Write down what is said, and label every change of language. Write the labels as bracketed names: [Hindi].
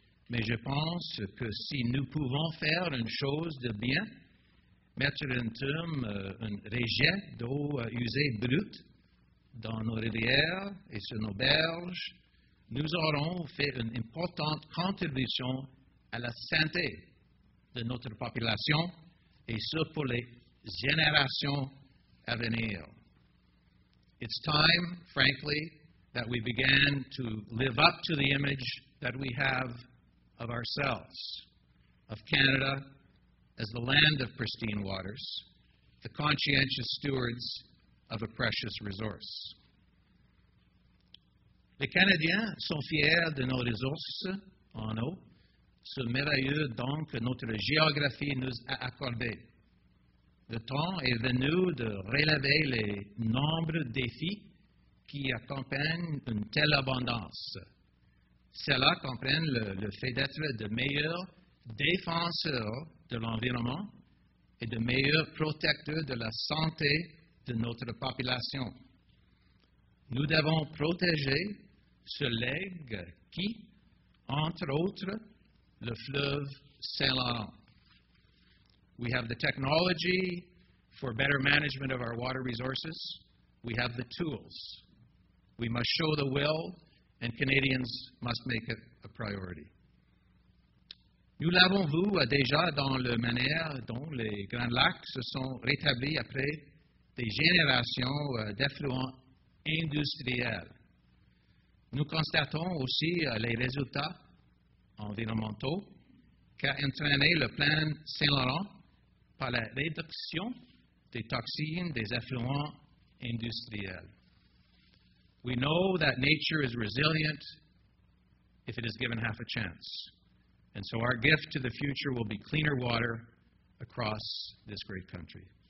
[French] Mais je pense que si nous pouvons faire une chose de bien, mettre un terme, un rejet d'eau usée brute dans nos rivières et sur nos berges, nous aurons fait une importante contribution à la santé de notre population et ce pour les générations à venir. [English] It's time, frankly, that we began to live up to the image that we have of ourselves, of Canada as the land of pristine waters, the conscientious stewards of a precious resource. [French] Les Canadiens sont fiers de nos ressources en eau, ce merveilleux don que notre géographie nous a accordé. Le temps est venu de relever les nombreux défis qui accompagnent une telle abondance. Cela comprend le fait d'être de meilleurs défenseurs de l'environnement et de meilleurs protecteurs de la santé de notre population. Nous devons protéger ce legs qui, entre autres, le fleuve Saint-Laurent. [English] We have the technology for better management of our water resources. We have the tools. We must show the will, and Canadians must make it a priority. [French] Nous l'avons vu déjà dans la manière dont les Grands Lacs se sont rétablis après des générations d'effluents industriels. Nous constatons aussi les résultats environnementaux qu'a entraîné le plan Saint-Laurent par la réduction des toxines des effluents industriels. [English] We know that nature is resilient if it is given half a chance. And so our gift to the future will be cleaner water across this great country.